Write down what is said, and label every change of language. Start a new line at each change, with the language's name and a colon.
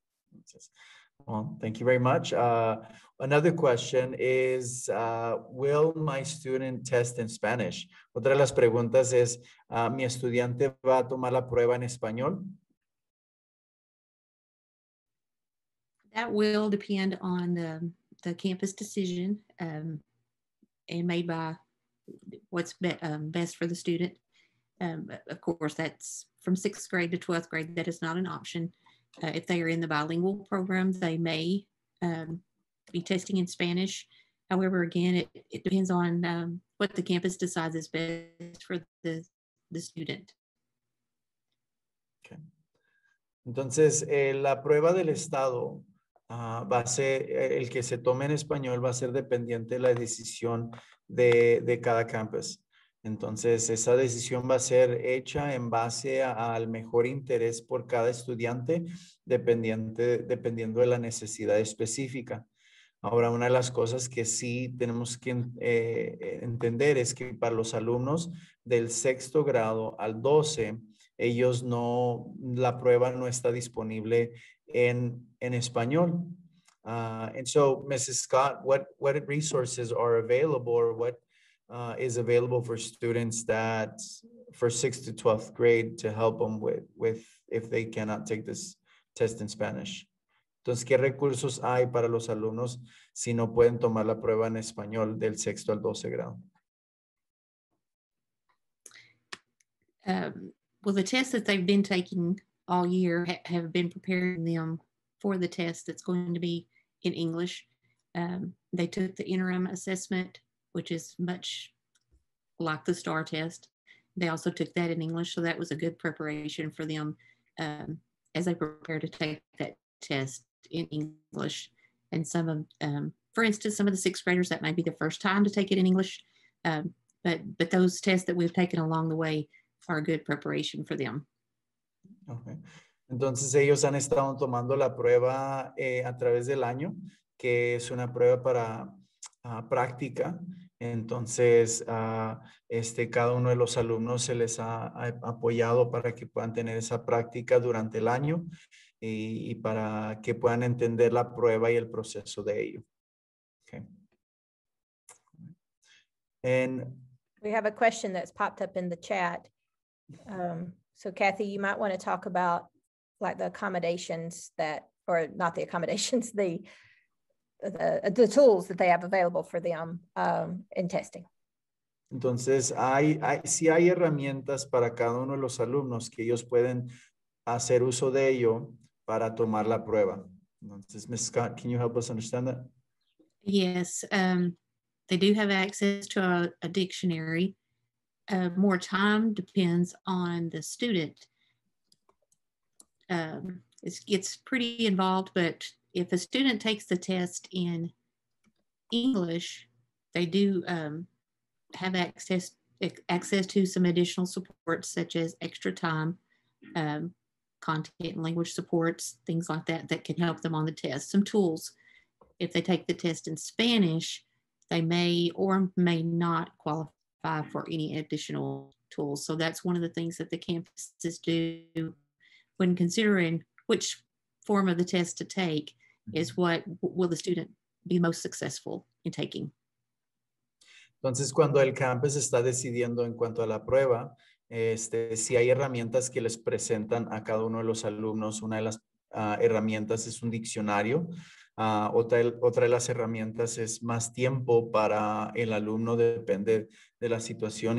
English: Entonces, thank you very much. Another question is, will my student test in Spanish?
Spanish: Otra de las preguntas es, ¿mi estudiante va a tomar la prueba en español?
English: That will depend on the campus decision and made by what's best for the student. Of course, that's from sixth grade to 12th grade. That is not an option. If they are in the bilingual program, they may be testing in Spanish. However, again, it depends on what the campus decides is best for the student. Okay.
Spanish: Entonces, la prueba del estado va a ser, el que se tome en español va a ser dependiente de la decisión de cada campus. Entonces, esa decisión va a ser hecha en base al mejor interés por cada estudiante, dependiendo de la necesidad específica. Ahora, una de las cosas que sí tenemos que entender es que para los alumnos del sexto grado al 12, ellos no, la prueba no está disponible en español.
English: And so, Mrs. Scott, what resources are available or what is available for students that for 6th to 12th grade to help them with if they cannot take this test in Spanish?
Spanish: Entonces, ¿qué recursos hay para los alumnos si no pueden tomar la prueba en español del sexto al 12 grado?
English: Well, the tests that they've been taking all year have been preparing them for the test that's going to be in English. They took the interim assessment, which is much like the STAR test. They also took that in English, so that was a good preparation for them as they prepare to take that test in English. and some of, for instance, some of the sixth graders, that might be the first time to take it in English, but those tests that we've taken along the way are a good preparation for them. Okay.
Spanish: Entonces ellos han estado tomando la prueba a través del año, que es una prueba para práctica. Entonces, cada uno de los alumnos se les ha apoyado para que puedan tener esa práctica durante el año y para que puedan entender la prueba y el proceso de ello.
English: Okay. And we have a question that's popped up in the chat. So Kathy, you might want to talk about like the accommodations that, or not the accommodations, the tools that they have available for them in testing.
Spanish: Entonces, hay herramientas para cada uno de los alumnos que ellos pueden hacer uso de ello para tomar la prueba.
English: Entonces, Ms. Scott, can you help us understand that? Yes, they do have access to a dictionary. More time depends on the student. It's pretty involved, but if a student takes the test in English, they do have access to some additional supports, such as extra time, content and language supports, things like that, that can help them on the test, some tools. If they take the test in Spanish, they may or may not qualify for any additional tools. So that's one of the things that the campuses do when considering which form of the test to take is what will the student be most successful in taking.
Spanish: Entonces, cuando el campus está decidiendo en cuanto a la prueba, si hay herramientas que les presentan a cada uno de los alumnos, una de las herramientas es un diccionario. Otra de las herramientas es más tiempo para el alumno, depende de la situación.